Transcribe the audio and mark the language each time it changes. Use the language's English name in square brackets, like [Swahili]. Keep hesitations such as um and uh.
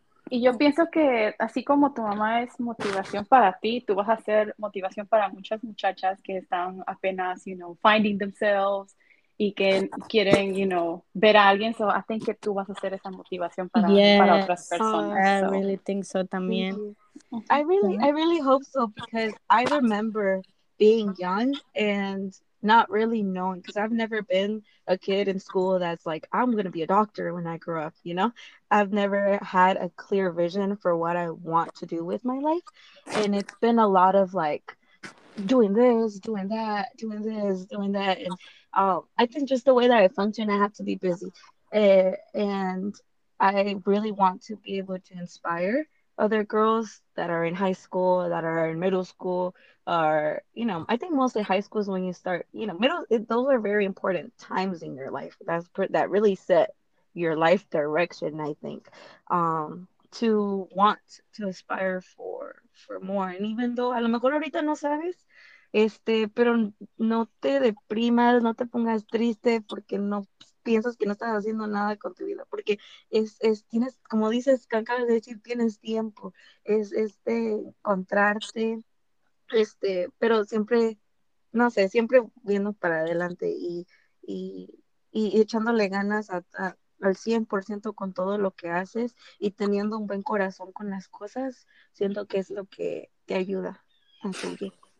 [Spanish] Y yo pienso que así como tu mamá es motivación para ti, tú vas a ser motivación para muchas muchachas que están apenas, you know, [English] finding themselves [Spanish] y que quieren, you know, ver a alguien. [English] So I think [Spanish] que tú vas a ser esa motivación para, [English] yes. [Spanish] para otras personas. [English] I so. really think so también. I really, I really hope so because I remember being young and not really knowing because I've never been a kid in school that's like, I'm going to be a doctor when I grow up, you know? I've never had a clear vision for what I want to do with my life. And it's been a lot of like doing this, doing that, doing this, doing that. And um, I think just the way that I function, I have to be busy. Uh, and I really want to be able to inspire other girls that are in high school, that are in middle school, or you know, I think mostly high school is when you start. You know, middle it, those are very important times in your life. That's that really set your life direction. I think um, to want to aspire for for more, and even though [Spanish] a lo mejor ahorita no sabes. Este, pero no te deprimas, no te pongas triste porque no piensas que no estás haciendo nada con tu vida, porque es, es tienes, como dices, acabas de decir, tienes tiempo, es este, encontrarte, este, pero siempre, no sé, siempre viendo para adelante y, y, y echándole ganas a, a, al 100% con todo lo que haces y teniendo un buen corazón con las cosas, siento que es lo que te ayuda a seguir.